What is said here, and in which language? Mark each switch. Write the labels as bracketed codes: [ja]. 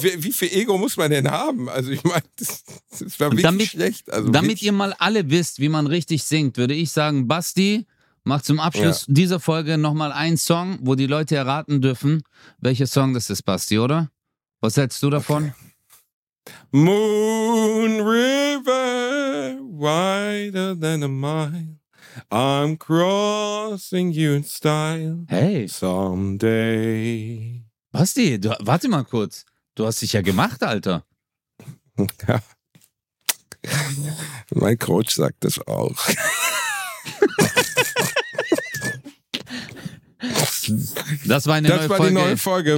[de] Wie viel Ego muss man denn haben? Also ich meine, das war wirklich damit, schlecht. Also damit ihr mal alle wisst, wie man richtig singt, würde ich sagen, Basti, mach zum Abschluss dieser Folge nochmal einen Song, wo die Leute erraten dürfen, welcher Song das ist, Basti, oder? Was hältst du davon? Okay. [en] Moon River, wider than a mile. I'm crossing you in style. Hey. Someday. [de] Basti, du, warte mal kurz. Du hast dich ja gemacht, Alter. Ja. Mein Coach sagt das auch. Das war eine das neue war Folge. Die neue Folge.